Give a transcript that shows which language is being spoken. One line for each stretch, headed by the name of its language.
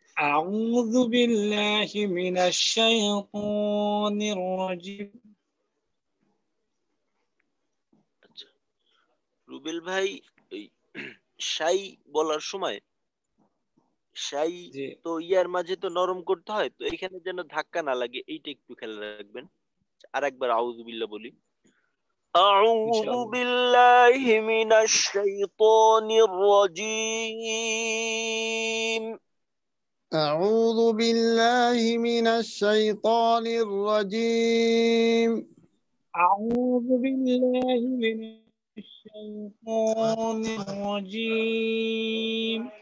Arabic: أعوذ بالله من الشيطان الرجيم.
Bangla: রুবেল ভাই, শাই বলার সময় শাই তো ইয়ার মাঝে তো নরম করতে হয়, তো এখানে যেন ধাক্কা না লাগে এইটা একটু খেয়াল রাখবেন। আরেকবার আউযু বিল্লাহ বলি।
Arabic: أعوذ بالله من الشيطان الرجيم. أعوذ بالله من الشيطان الرجيم. أعوذ بالله من الشيطان الرجيم.